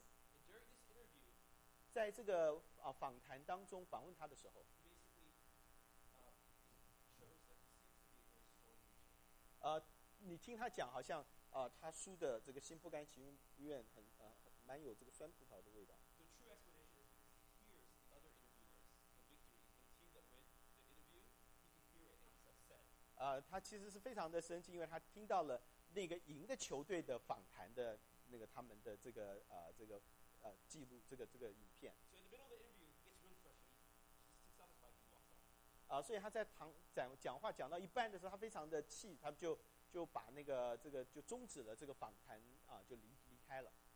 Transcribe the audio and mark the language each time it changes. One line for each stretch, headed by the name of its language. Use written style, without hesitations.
English: And during this interview,
Chinese: 在这个访谈当中访问他的时候，你听他讲好像他输的这个心不甘情愿很蛮有这个酸葡萄的味道。
English: The true explanation is he hears the other interviewers, the victory, the team that win the interview, he can hear it and he's upset.
Chinese: 他其实是非常的生气，因为他听到了那个赢的球队的访谈的那个他们的这个记录这个影片。
English: So in the middle of the interview, he gets really frustrated. He sticks out his bike and walks off.
Chinese: 所以他在讲话讲到一半的时候，他非常的气，他们就把那个这个就终止了这个访谈就离开了。